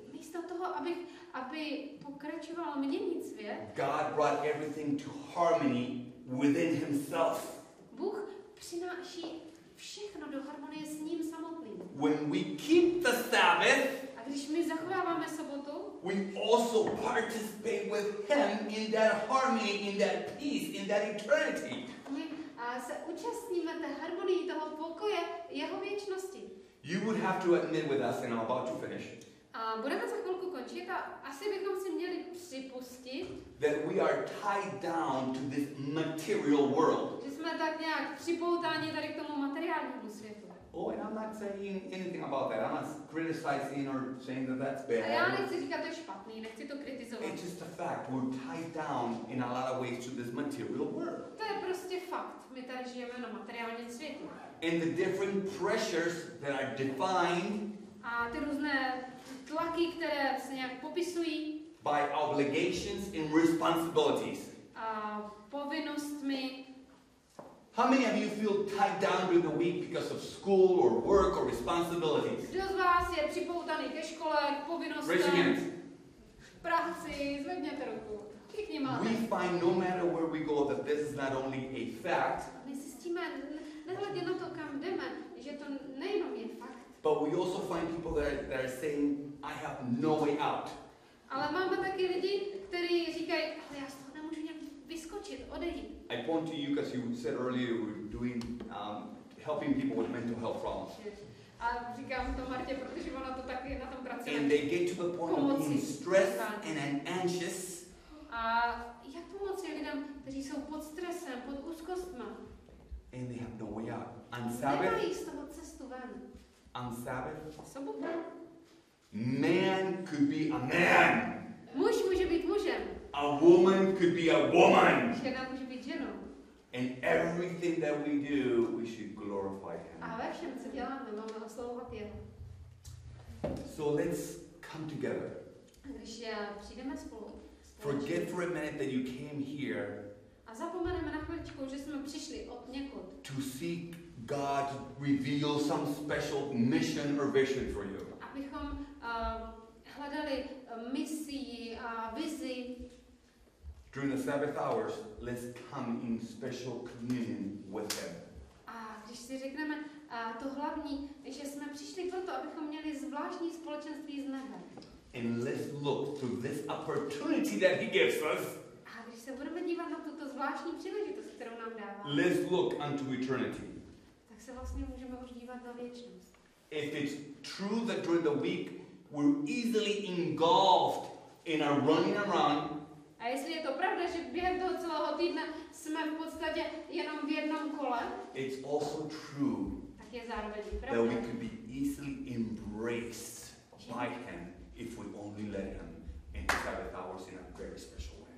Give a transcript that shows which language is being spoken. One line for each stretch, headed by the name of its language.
Czech: Místo toho, aby pokračovalo měnit svět.
English: God brought everything to harmony within himself.
Czech: Bůh přináší všechno do harmonie s ním samotným.
English: When we keep the Sabbath,
Czech: a když my zachováváme sobotu,
English: we also participate with him in that harmony, in that peace, in that eternity.
Czech: My se účastníme té harmonii toho pokoje jeho věčnosti.
English: You would have to admit with us, and I'm about to finish.
Czech: Budeme za chvilku končit a asi bychom si měli připustit,
English: that we are tied down to this material world.
Czech: Že jsme tak nějak připoutáni tady k tomu materiálnímu světu.
English: Oh, and I'm not saying anything about that. I'm not criticizing or saying that that's bad.
Czech: A já nechci říkat, to je špatný, nechci to kritizovat.
English: It's just a fact. We're tied down in a lot of ways to this material world.
Czech: To je prostě fakt. My tady žijeme na materiálním světě.
English: And the different pressures that are defined
Czech: a ty různé tlaky, které se nějak popisují
English: by obligations and responsibilities.
Czech: A povinnostmi.
English: How many of you feel tied down during the week because of school or work or responsibilities?
Czech: Kdo z vás je připoutaný ke škole, k povinnostem?
English: Raise your hands.
Czech: Práci, zvedněte ruku. Všichni máte.
English: We find no matter where we go that this is not only a fact.
Czech: My zjistíme, nehledě na to, kam jdeme, že to nejenom je fakt.
English: But we also find people that are saying, I have no way out.
Czech: Ale máme taky lidi, kteří říkají, ale já z toho nemůžu nějak vyskočit, odejít.
English: I point to you because you said earlier we're doing helping people with mental health problems.
Czech: A říkám to Martě, protože ona to taky na tom pracuje.
English: And they get to the point of being stressed and anxious.
Czech: A jak pomoci lidem, kteří jsou pod stresem, pod úzkostma?
English: And they have no way out. On Sabbath.
Czech: Z toho cestu ven.
English: On Sabbath.
Czech: Sobota.
English: Man could be a man.
Czech: Muž může být mužem.
English: A woman could be a woman.
Czech: Žena může být ženou.
English: And everything that we do, we should glorify Him.
Czech: A ve všem, co děláme, máme oslavovat Jeho.
English: So let's come together.
Czech: Když přijdeme spolu.
English: Forget for a minute that you came here.
Czech: A zapomeneme na chvíličku, že jsme přišli od někud.
English: To seek God reveal some special mission or vision for you.
Czech: Abychom hledali misi a vizi.
English: During the Sabbath hours, let's come in special communion with Him.
Czech: A když si řekneme to hlavní, že jsme přišli proto, abychom měli zvláštní společenství s nebem.
English: And let's look through this opportunity that He gives us.
Czech: A když se budeme dívat na tuto zvláštní příležitost, kterou nám dává.
English: Let's look unto eternity.
Czech: Tak se vlastně můžeme už dívat na věčnost.
English: If it's true that during the week we're easily engulfed in our running around.
Czech: A jestli je to pravda, že během toho celého týdne jsme v podstatě jenom v jednom kole.
English: It's also true.
Czech: Tak je zároveň pravda.
English: That we can be easily embraced by Him if we only let Him in the Sabbath hours in a very special way.